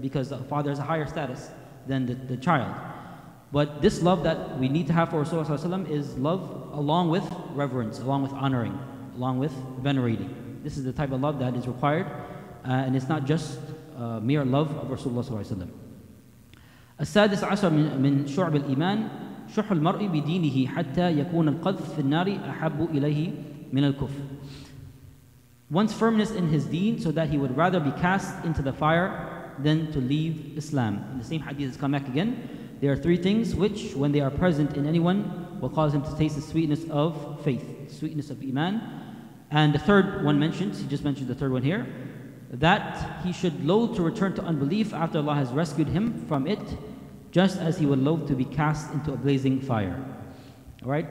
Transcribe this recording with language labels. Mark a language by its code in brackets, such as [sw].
[en] Because a father has a higher status than the child. But this love that we need to have for Rasulullah ﷺ is love along with reverence, along with honoring, along with venerating. This is the type of love that is required, and it's not just mere love of Rasulullah ﷺ. [ar] As-Sadis Asar min Shu'ab al-Iman, شح المرء بدينه حتى يكون القذف في النار أحب إليه من الكفر. [en] One's firmness in his deen so that he would rather be cast into the fire than to leave Islam. In the same hadith has come back again. There are three things which, when they are present in anyone, will cause him to taste the sweetness of faith, sweetness of Iman. And the third one mentioned, he just mentioned the third one here, that he should loathe to return to unbelief after Allah has rescued him from it, just as he would loathe to be cast into a blazing fire. Right?